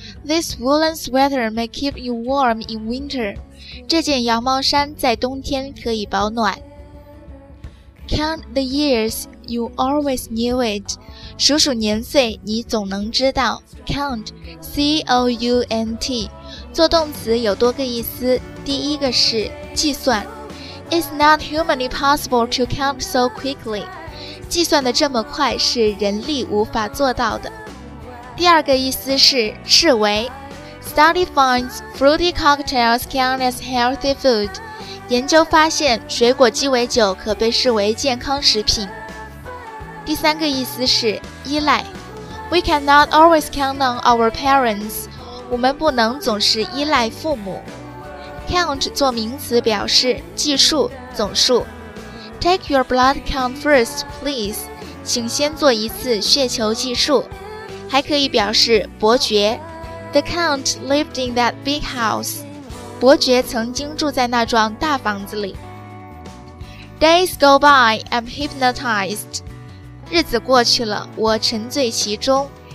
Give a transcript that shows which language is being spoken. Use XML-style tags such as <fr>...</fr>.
<en>This woolen sweater may keep you warm in winter.</en> <zh>这件羊毛衫在冬天可以保暖。</zh> <en>Count the years, you always knew it.</en> <zh>数数年岁，你总能知道。 Count, C-O-U-N-T， 做动词有多个意思。第一个是计算。</zh> <en>It's not humanly possible to count so quickly，</en> <zh>计算的这么快是人力无法做到的。第二个意思是视为。</zh> <en>Study finds fruity cocktails count as healthy food，</en> <zh>研究发现水果鸡尾酒可被视为健康食品。第三个意思是依赖。</zh> <en>We cannot always count on our parents，</en> <zh>我们不能总是依赖父母。 Count 做名词表示计数、总数。</zh> <en>Take your blood count first, please，</en> <zh>请先做一次血球计数。还可以表示伯爵。</zh> <en>The Count lived in that big house，</en> <zh>伯爵曾经住在那幢大房子里。</zh> <en>Days go by, I'm hypnotized，</en> <zh>日子过去了，我沉醉其中。</zh>